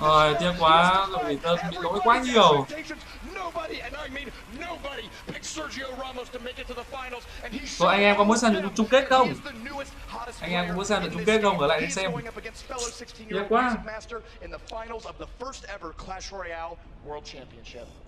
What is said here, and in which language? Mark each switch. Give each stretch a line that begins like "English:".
Vietnamese: Ôi, tiếc quá, vì tớ bị lỗi quá nhiều.
English: Nobody, and I mean nobody, picked Sergio Ramos to make it to the finals, and he.
Vietnamese: Rồi anh em có muốn xem được chung kết không? Anh em có muốn xem được chung kết không? Ở lại để xem. Tiếc quá.
English: In the finals of the first ever Clash Royale World Championship.